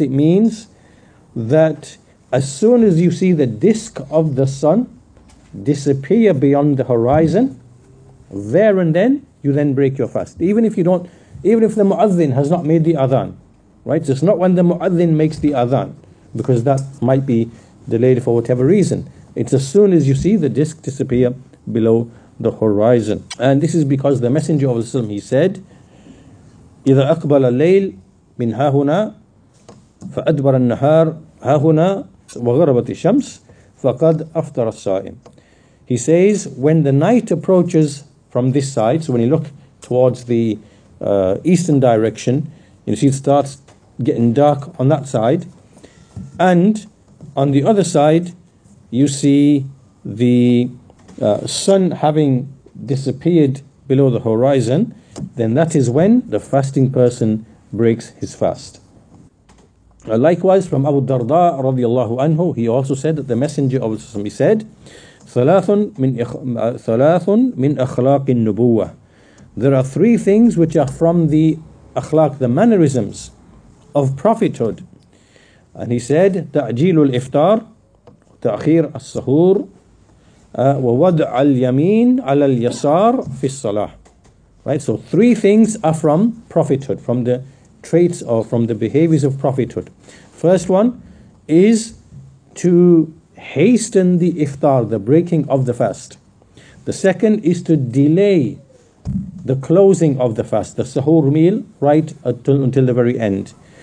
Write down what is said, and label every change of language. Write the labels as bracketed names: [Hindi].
[English] It means that as soon as you see the disk of the sun disappear beyond the horizon, there and then, you then break your fast. Even if the muadhin has not made the adhan, right? So it's not when the muadhin makes the adhan, because that might be delayed for whatever reason. It's as soon as you see the disk disappear below the horizon. And this is because the Messenger of Islam, he said, [Arabic] إِذَا أَقْبَلَ اللَّيْلِ مِنْ هَاهُنَا فَأَدْبَرَ النَّهَارِ هَاهُنَا وَغَرَبَتِ الشَّمْسِ فَقَدْ أَفْتَرَ السَّائِمِ. [English] He says, when the night approaches from this side, so when you look towards the eastern direction, you see it starts getting dark on that side, and on the other side, you see the sun having disappeared below the horizon, then that is when the fasting person breaks his fast. Likewise, from Abu Darda radiallahu anhu, he also said that the Messenger of Allah he said, [Arabic] ثَلَاثٌ مِنْ أَخْلَاقِ النُّبُوَّةِ. [English] There are three things which are from the akhlaq, the mannerisms of prophethood. And he said, [Arabic] تَعْجِيلُ الْإِفْطَارِ تَأْخِيرُ السَّحُورِ ووضع اليمين على اليسار في الصلاة. [English] Right, so three things are from prophethood, from the traits or from the behaviors of prophethood. First one is to hasten the iftar, the breaking of the fast. The second is to delay the closing of the fast, the sahur meal, right until the very end.